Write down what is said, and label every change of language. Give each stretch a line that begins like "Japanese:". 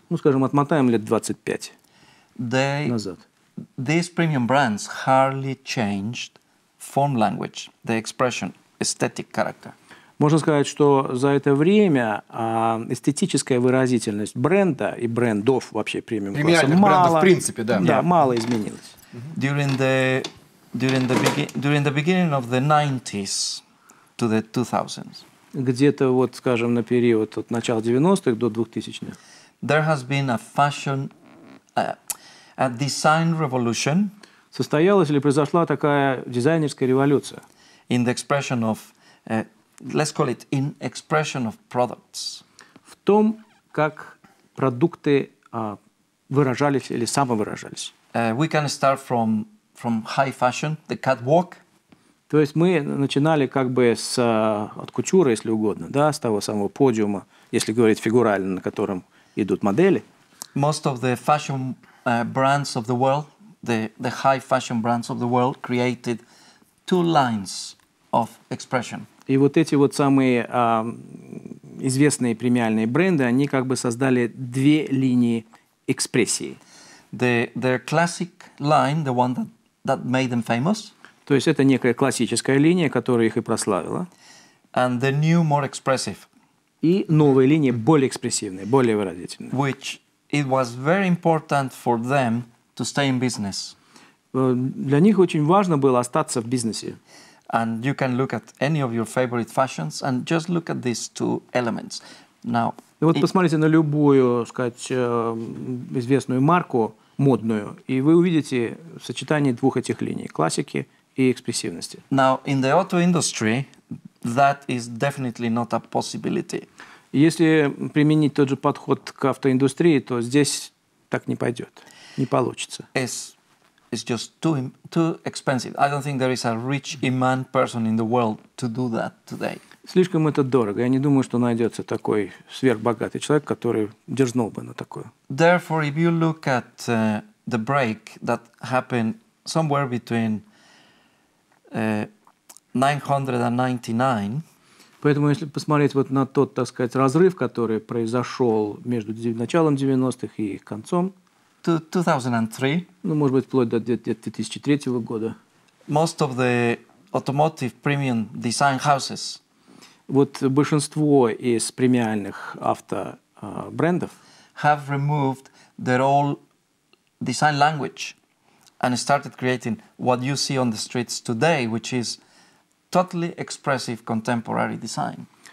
Russian: Ну, скажем, отмотаем лет 25 назад.
English: These premium brands hardly changed form language, the expression, aesthetic character.
Russian: Можно сказать, что за это время эстетическая выразительность бренда и брендов вообще премиум-класса мало, в принципе, да. Да, мало изменилась.
English: During the beginning of the 90s to the 2000s.
Russian: Где-то вот, скажем, на период от начала 90-х до 2000-х.
English: There has been a fashion, a design revolution.
Russian: Состоялась или произошла такая дизайнерская революция?
English: In the expression of let's call it in expression of products.
Russian: В том, как продукты выражались или самовыражались.
English: We can start from from high fashion, the catwalk.
Russian: То есть мы начинали как бы с от кутюра, если угодно, да, с того самого подиума, если говорить фигурально, на котором идут модели.
English: Most of the fashion brands of the world, the high fashion brands of the world, created two lines of expression.
Russian: И вот эти вот самые известные премиальные бренды, они как бы создали две линии экспрессии.
English: Their classic line, the one that made them famous.
Russian: То есть это некая классическая линия, которая их и прославила.
English: And the new, more expressive.
Russian: И новые линии, более экспрессивные, более выразительные.
English: Which it was very important for them to stay in business.
Russian: Для них очень важно было остаться в бизнесе.
English: And you can look at any of your favorite fashions and just look at these two elements. Now,
Russian: и вот посмотрите на любую, сказать, известную марку модную, и вы увидите сочетание двух этих линий, классики и экспрессивности.
English: Now, in the auto industry, that is definitely not a possibility.
Russian: Если применить тот же подход к автоиндустрии, то здесь так не пойдет, не получится.
English: It's just too expensive. I don't think there is a rich man person in the world to do that today.
Russian: Слишком это дорого. Я не думаю, что найдется такой сверхбогатый человек, который дерзнул бы на такое.
English: Therefore, if you look at the break that happened somewhere between 999.
Russian: Поэтому, если посмотреть вот на тот, так сказать, разрыв, который произошел между началом 90-х и концом.
English: 2003.
Russian: Ну, может быть, вплоть до 2003 года.
English: Most of the automotive premium design houses.
Russian: Вот большинство из премиальных авто брендов
English: have removed their old design language and started creating what you see on the streets today, which is totally expressive contemporary design.